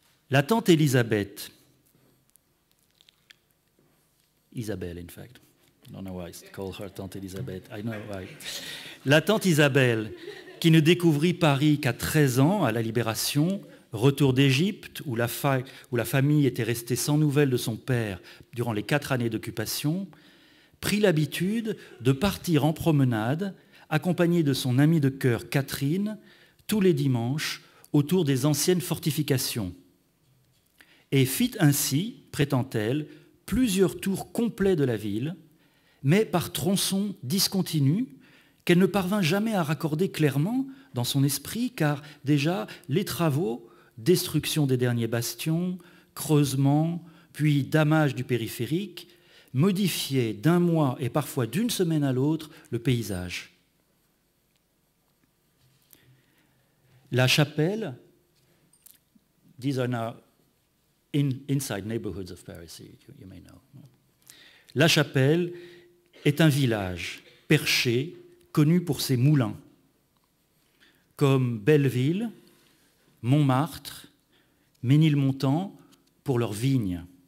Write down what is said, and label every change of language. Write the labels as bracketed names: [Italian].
[English] La tante Elisabeth, Isabelle in fact, I don't know why I call her tante Elisabeth, I know why. [French] La tante Isabelle, qui ne découvrit Paris qu'à 13 ans à la Libération, retour d'Égypte où la famille était restée sans nouvelles de son père durant les 4 années d'occupation, prit l'habitude de partir en promenade accompagnée de son amie de cœur Catherine tous les dimanches autour des anciennes fortifications. Et fit ainsi, prétend-elle, plusieurs tours complets de la ville, mais par tronçons discontinus qu'elle ne parvint jamais à raccorder clairement dans son esprit, car déjà les travaux, destruction des derniers bastions, creusement, puis damage du périphérique, modifiaient d'un mois et parfois d'une semaine à l'autre le paysage. [English] La chapelle, these are now inside neighborhoods of Paris, you may know. [French] La chapelle est un village perché, connu pour ses moulins, comme Belleville, Montmartre, Ménilmontant pour leurs vignes.